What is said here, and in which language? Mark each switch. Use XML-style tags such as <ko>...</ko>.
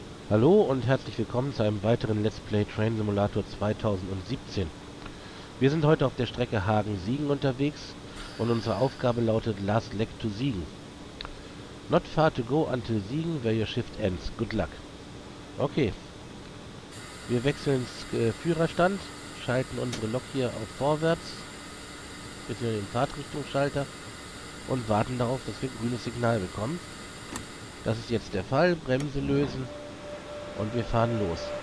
<de>Hallo und herzlich willkommen zu einem weiteren Let's Play Train Simulator 2017. Wir sind heute auf der Strecke Hagen-Siegen unterwegs und unsere Aufgabe lautet Last Leg to Siegen.</de> <en>Not far to go until Siegen, where your shift ends. Good luck. Okay.</en> <de>Wir wechseln ins Führerstand, schalten unsere Lok hier auf vorwärts, bisschen den Fahrtrichtungsschalter und warten darauf, dass wir ein grünes Signal bekommen. Das ist jetzt der Fall. Bremse lösen. Und wir fahren los.</de>